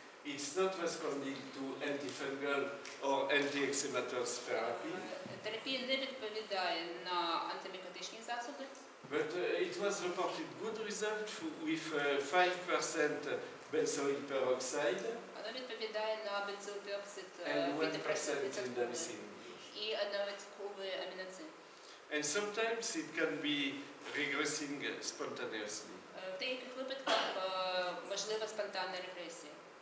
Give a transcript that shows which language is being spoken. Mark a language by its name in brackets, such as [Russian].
[English] It's not responding to antifungal or anti-eczematous therapy. [Ukrainian] Терапія не відповідає на антимікотичні засоби. [English] But it was reported good result with 5% benzoyl peroxide. [Ukrainian] Вона відповідає на бензоїл пероксид. [English] And 1% indamycin. [Ukrainian] І одновитковий амінацин. [English] And sometimes it can be regressing spontaneously. [Ukrainian] В деяких випадках можлива спонтанна регресія.